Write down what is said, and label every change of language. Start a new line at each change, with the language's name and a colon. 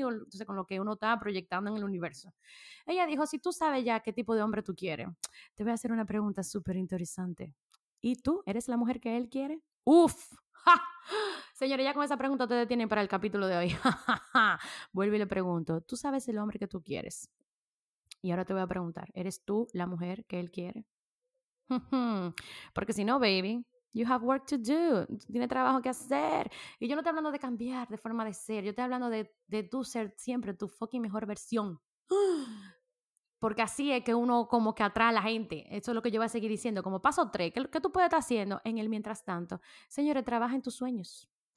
Spanish: Entonces, con lo que uno está proyectando en el universo. Ella dijo, si tú sabes ya qué tipo de hombre tú quieres, te voy a hacer una pregunta súper interesante. ¿Y tú? ¿Eres la mujer que él quiere? ¡Uf! ¡Ja! Señores, ya con esa pregunta te detienen para el capítulo de hoy. Vuelvo y le pregunto, ¿tú sabes el hombre que tú quieres? Y ahora te voy a preguntar, ¿eres tú la mujer que él quiere? Porque si no,
English: baby, you have work to do.
Spanish: Tienes trabajo que hacer. Y yo no estoy hablando de cambiar de forma de ser. Yo estoy hablando de tú ser siempre tu fucking mejor versión. Porque así es que uno como que atrae a la gente. Eso es lo que yo voy a seguir diciendo. Como paso 3, ¿qué tú puedes estar haciendo en el mientras tanto? Señores, trabaja en tus sueños.